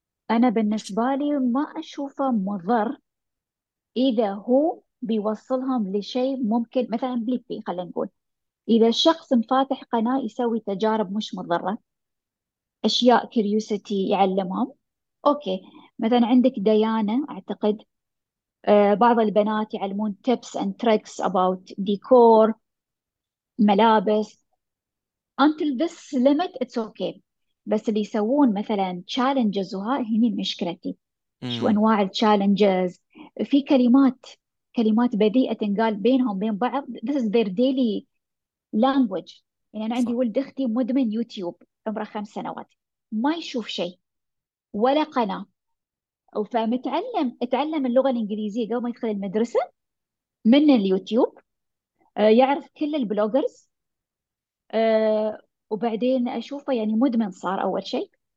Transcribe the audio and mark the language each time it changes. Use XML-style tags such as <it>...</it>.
<ar>أنا بالنسبة لي ما أشوفه مضر إذا هو بيوصلهم لشيء ممكن، مثلاً بليبي خلينا نقول، إذا الشخص مفاتح قناة يسوي تجارب مش مضرة، أشياء كيريوسيتي يعلمهم، أوكي. مثلاً عندك ديانة، أعتقد بعض البنات يعلمون</ar> <en>tips and tricks about decor،</en> <ar>ملابس.</ar> <en>Until this limit it's okay.</en> <ar>بس اللي يسوون مثلا تشالنجز، وها هني مشكلتي، شو انواع التشالنجز؟ في كلمات بذيئه تنقال بينهم بين بعض،</ar> <en>this is their daily language.</en> <ar>يعني انا عندي ولد اختي مدمن يوتيوب، عمره 5 سنوات ما يشوف شيء ولا قناه، فمتعلم اتعلم اللغه الانجليزيه قبل ما يدخل المدرسه من اليوتيوب، يعرف كل البلوجرز، وبعدين أشوفه يعني مدمن صار أول شيء.</ar>